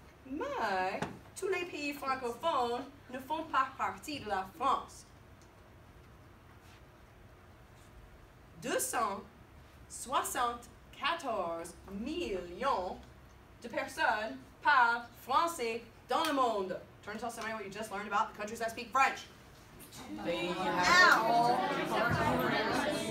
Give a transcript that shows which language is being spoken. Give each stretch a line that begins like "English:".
French: Mais tous les pays francophones ne font pas partie de la France. 274 millions de personnes parlent français dans le monde.
English: Turn to somebody what you just learned about the countries that speak French. They have
French: now, de la France